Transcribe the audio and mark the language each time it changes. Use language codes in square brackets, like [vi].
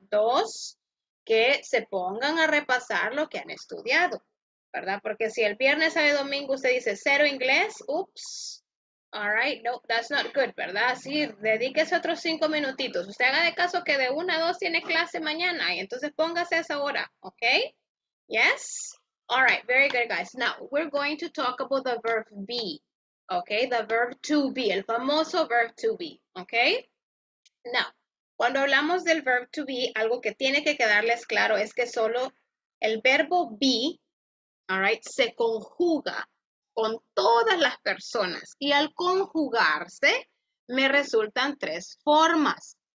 [es] Dos, que se pongan a repasar lo que han estudiado, ¿verdad? Porque si el viernes sabe domingo usted dice cero inglés, [en] oops, all right, no, that's not good, [es] ¿verdad? Sí, dedíquese otros 5 minutitos. Usted haga de caso que de 1 a 2 tiene clase mañana, y entonces póngase a esa hora, ¿ok? [en] Yes? All right, very good, guys. Now, we're going to talk about the verb be, okay? The verb to be, [es] el famoso [en] verb to be, okay? [es] Now, cuando hablamos del verb to be, algo que tiene que quedarles claro es que solo el verbo be, all right, se conjuga con todas las personas. Y al conjugarse, me resultan 3 formas.